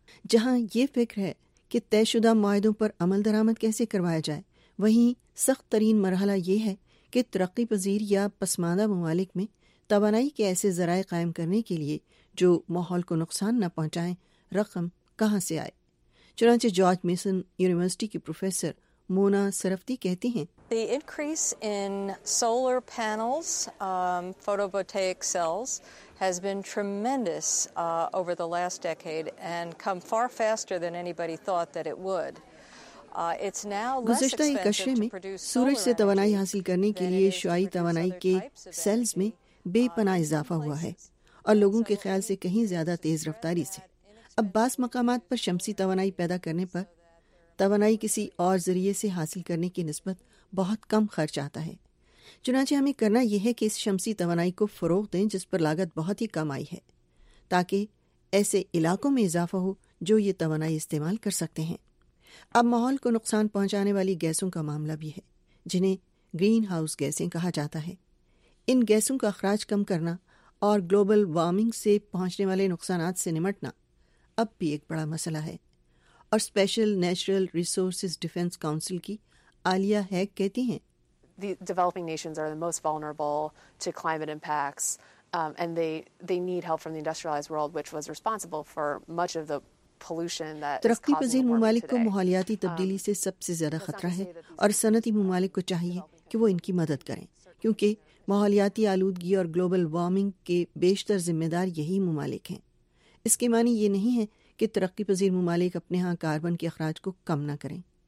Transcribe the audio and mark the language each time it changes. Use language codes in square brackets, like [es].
[ur] جہاں یہ فکر ہے کہ طے شدہ معاہدوں پر عمل درآمد کیسے کروایا جائے، وہیں سخت ترین مرحلہ یہ ہے کہ ترقی پذیر یا پسماندہ ممالک میں توانائی کے ایسے ذرائع قائم کرنے کے لیے جو ماحول کو نقصان نہ پہنچائیں رقم کہاں سے آئے۔ چنانچہ جارج میسن یونیورسٹی کی پروفیسر مونا سرفتی کہتی ہیں، [en] The increase in solar panels, photovoltaic cells has been tremendous over the last decade and come far faster than anybody thought that it would. It's now less expensive to produce solar energy. [ur] سورج سے توانائی حاصل کرنے کے لیے شعاعی توانائی کے sales میں بے پناہ اضافہ ہوا ہے اور لوگوں کے خیال سے کہیں زیادہ تیز رفتاری سے۔ اب بعض مقامات پر شمسی توانائی پیدا کرنے پر توانائی کسی اور ذریعے سے حاصل کرنے کی نسبت بہت کم خرچ آتا ہے۔ چنانچہ ہمیں کرنا یہ ہے کہ اس شمسی توانائی کو فروغ دیں جس پر لاگت بہت ہی کم آئی ہے، تاکہ ایسے علاقوں میں اضافہ ہو جو یہ توانائی استعمال کر سکتے ہیں۔ اب ماحول کو نقصان پہنچانے والی گیسوں کا معاملہ بھی ہے جنہیں گرین ہاؤس گیسیں کہا جاتا ہے۔ ان گیسوں کا اخراج کم کرنا اور گلوبل وارمنگ سے پہنچنے والے نقصانات سے نمٹنا اب بھی ایک بڑا مسئلہ ہے، اور special natural resources defence council کی عالیہ ہیگ کہتی ہیں، [en] The developing nations are the most vulnerable to climate impacts and they need help from the industrialized world which was responsible for much of the pollution that is causing [ur] ترقی پذیر ممالک کو ماحولیاتی تبدیلی سے سب سے زیادہ خطرہ ہے، اور صنعتی ممالک کو چاہیے کہ وہ ان کی مدد کریں، کیونکہ ماحولیاتی آلودگی اور گلوبل وارمنگ کے بیشتر ذمہ دار یہی ممالک ہیں۔ اس کے معنی یہ نہیں ہے کہ ترقی پذیر ممالک اپنے ہاں کاربن کے اخراج کو کم نہ کریں،